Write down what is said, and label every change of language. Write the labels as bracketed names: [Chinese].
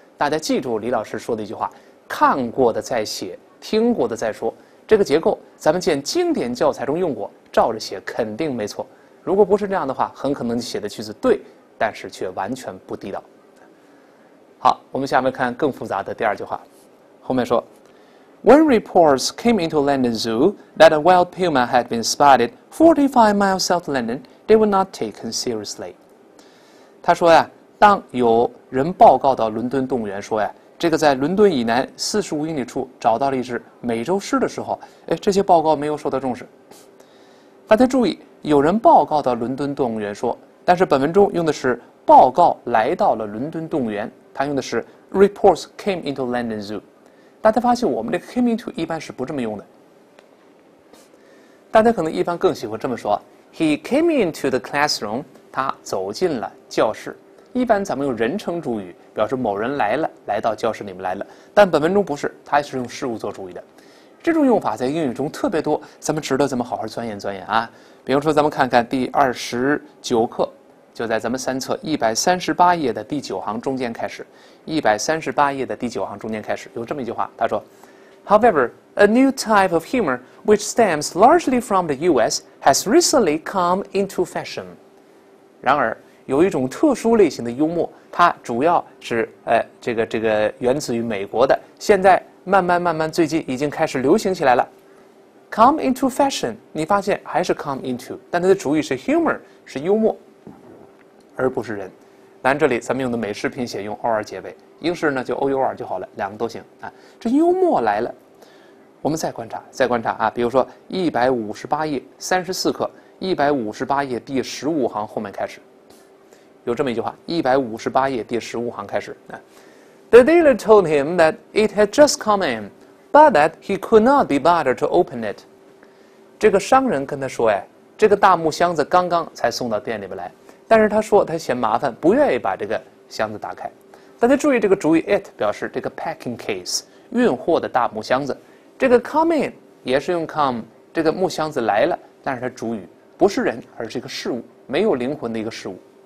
[Chinese] 大家记住李老师说的一句话，看过的再写，听过的再说。这个结构咱们见经典教材中用过，照着写肯定没错。如果不是这样的话，很可能你写的句子对，但是却完全不地道。好，我们下面看更复杂的第二句话，后面说 [English] When reports came into London Zoo that a wild puma had been spotted 45 miles south of London, they were not taken seriously. [Chinese] 他说呀，当有人报告到伦敦动物园说呀，这个在伦敦以南45英里处找到了一只美洲狮的时候，哎，这些报告没有受到重视。大家注意，有人报告到伦敦动物园说，但是本文中用的是报告来到了伦敦动物园，它用的是 [English] reports came into London Zoo。 [Chinese] 大家发现我们的 came into 一般是不这么用的。大家可能一般更喜欢这么说 ， [English] He came into the classroom， [Chinese] 他走进了教室。一般咱们用人称主语表示某人来了，来到教室里面来了。但本文中不是，它是用事物做主语的。这种用法在英语中特别多，咱们值得咱们好好钻研钻研啊。比如说，咱们看看第29课，就在咱们三册138页的第九行中间开始。 138页的第九行中间开始有这么一句话，他说 [English] ：“However, a new type of humor which stems largely from the U.S. has recently come into fashion。” [Chinese] 然而，有一种特殊类型的幽默，它主要是这个源自于美国的，现在慢慢最近已经开始流行起来了。 [English] Come into fashion， [Chinese] 你发现还是 [English] come into， [Chinese] 但它的主语是 humor， 是幽默，而不是人。咱这里咱们用的美式拼写用 or 结尾，英式呢就 our 就好了，两个都行啊。这幽默来了，我们再观察啊。比如说158页34课，158页第15行后面开始，有这么一句话，158页第15行开始啊。 [English] The dealer told him that it had just come in, but that he could not be bothered to open it. [Chinese] 这个商人跟他说哎，这个大木箱子刚刚才送到店里面来，但是他说他嫌麻烦，不愿意把这个箱子打开。大家注意这个主语 it 表示这个 packing case 运货的大木箱子，这个 come in 也是用 come 这个木箱子来了，但是它主语不是人，而是一个事物，没有灵魂的一个事物。